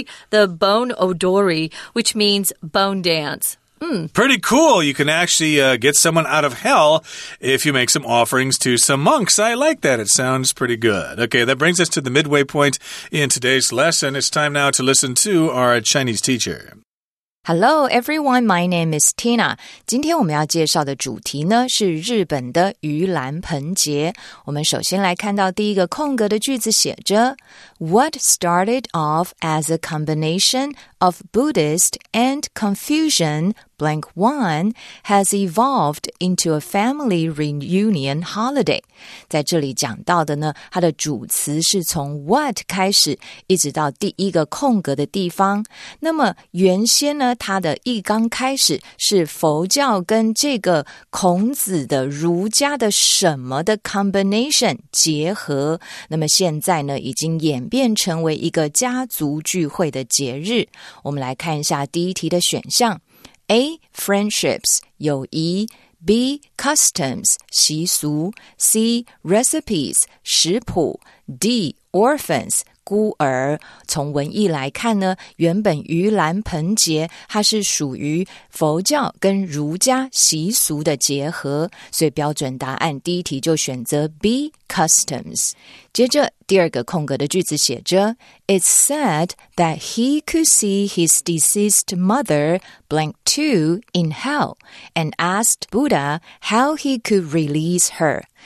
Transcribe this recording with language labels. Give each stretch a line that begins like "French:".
English: The Bon Odori, which means bone dance.、Mm. Pretty cool. You can actually、get someone out of hell if you make some offerings to some monks. I like that. It sounds pretty good. Okay, that brings us to the midway point in today's lesson. It's time now to listen to our Chinese teacher. Hello, everyone. My name is Tina.
Chinese: 今天我们要介绍的主题呢是日本的盂兰盆节。我们首先来看到第一个空格的句子写着
English: What started off as a combination of Buddhist and Confucian blank one has evolved into a family reunion holiday.
Chinese: 在这里讲到的呢它的主词是从 what 开始一直到第一个空格的地方。那么原先呢它的一刚开始是佛教跟这个孔子的儒家的什么的 combination 结合。那么现在呢已经演变成为一个家族聚会的节日。我们来看一下第一题的选项。
English: A. Friendships, 友谊 B. Customs, 习俗 C. Recipes, 食谱 D.
Chinese: Orphans, 孤儿从文意来看呢原本盂兰盆节它是属于佛教跟儒家习俗的结合所以标准答案第一题就选择 B.
English: Customs
Chinese: 接着第二个空格的句子写着
English: It's said that he could see his deceased mother, blank two, in hell, and asked Buddha how he could release her.